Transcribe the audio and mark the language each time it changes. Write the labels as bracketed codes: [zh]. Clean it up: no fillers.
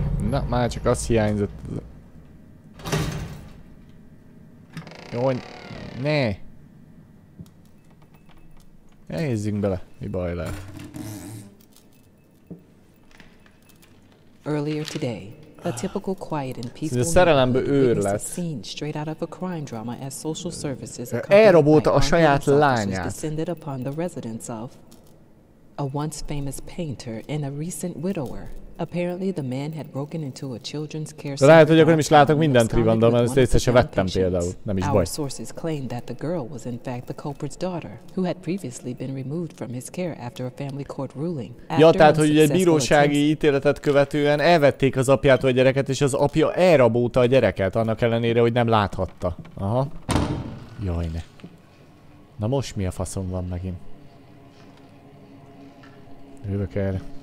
[hu] Na, már csak az hiányzott. Jó, ne! Nézzünk bele, mi baj lehet. [en] Earlier today, a typical quiet and peaceful [hu] a szerelemből őr lett. [en] Scene straight out of a crime drama as social services [hu] elrabolta a saját lányát. [en] Descended upon the residence of a once famous painter and a recent widower. Apparently the man had broken into a children's care center. [hu] Lehet, hogy akkor nem is látok mindent Trivandon, mert ezt észre sem vettem például. Nem is baj. [en] Our sources claim that the girl was in fact the culprit's daughter, who had previously been removed from his care after a family court ruling. [hu] Ja, tehát, hogy egy bírósági ítéletet követően elvették az apjától a gyereket, és az apja elrabolta a gyereket, annak ellenére, hogy nem láthatta. Aha. Jaj, ne. Na most mi a faszom van megint? Jövök erre.